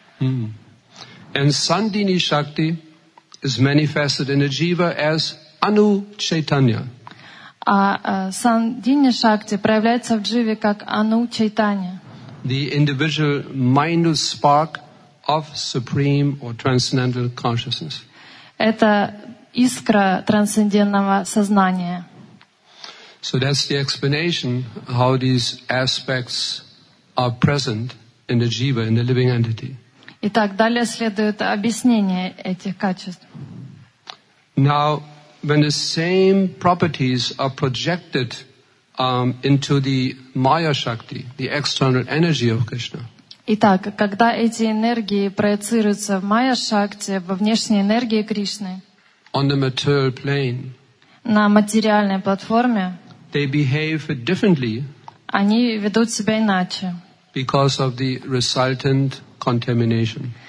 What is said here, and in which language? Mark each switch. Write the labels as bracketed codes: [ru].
[en] And Sandini Shakti is manifested in the Jiva as Anu Chaitanya. [ru] А Сандини Шакти проявляется в Дживе как Ану Чайтанья. [en] The individual minute spark of supreme or transcendental consciousness. [ru] Это искра трансцендентного сознания. [en] So that's the explanation how these aspects are present in the jiva, in the living entity. [ru] Итак, далее следует объяснение этих качеств. [en] Now, when the same properties are projected into the Maya Shakti, the external energy of Krishna. [ru] Итак, когда эти энергии проецируются в Maya Shakti, во внешней энергии Кришны. [en] On the material plane. [ru] На материальной платформе. [en] They behave differently [ru] они ведут себя иначе [en] because of the resultant contamination.